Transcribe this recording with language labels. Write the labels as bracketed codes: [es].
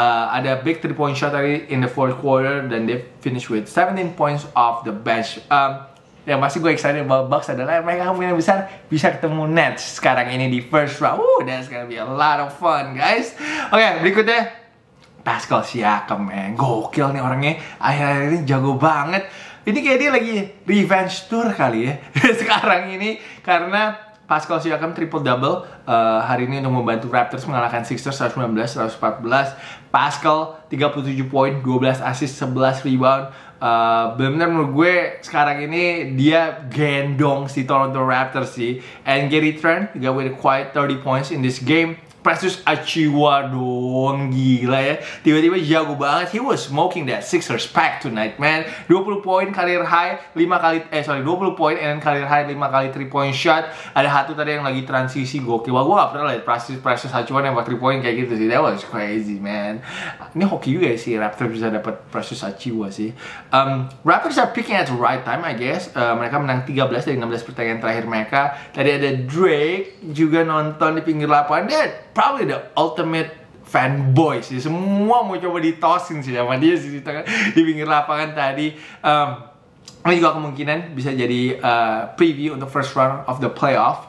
[en] Ada big 3 point shot tadi in the 4th quarter, dan they finish with 17 points off the bench. [id] Yang pasti gue [en] excited about [id] Bucks adalah mereka kemungkinan besar bisa ketemu Nets sekarang ini di first round. [en] That's gonna be a lot of fun, guys. [id] Okay, berikutnya Pascal Siakam, man. Gokil nih orangnya. Akhir-akhir ini jago banget. Ini kayak dia lagi revenge tour kali ya sekarang ini. Karena Pascal Siakam triple-double hari ini untuk membantu Raptors mengalahkan Sixers 119-114. Pascal 37 poin, 12 assist, 11 rebound. Bener-bener menurut gue sekarang ini dia gendong si Toronto Raptors sih. [en] And Gary Trent juga with quite 30 points in this game. Precious Achiuwa [id] dong, gila ya. Tiba-tiba jago banget. [en] He was smoking that Sixers pack tonight, man. 20 poin career high, 20 poin and then career high [id] 5 kali [en] 3 point shot. [id] Ada satu tadi yang lagi transisi gokil. Wah, gue gak pernah liat Precious Achiuwa nembak 3 poin kayak gitu sih. [en] That was crazy, man. [id] Ini hoki juga sih Raptors bisa dapat Precious Achiuwa sih. [en] Raptors are picking at the right time, I guess. [id] Mereka menang 13 dari 16 pertandingan terakhir mereka. Tadi ada Drake juga nonton di pinggir lapangan. Dan [en] probably the ultimate fanboy [id] sih. Semua mau coba ditosin sih sama dia sih di pinggir lapangan tadi. Ini juga kemungkinan bisa jadi preview untuk [en] first round of the playoff.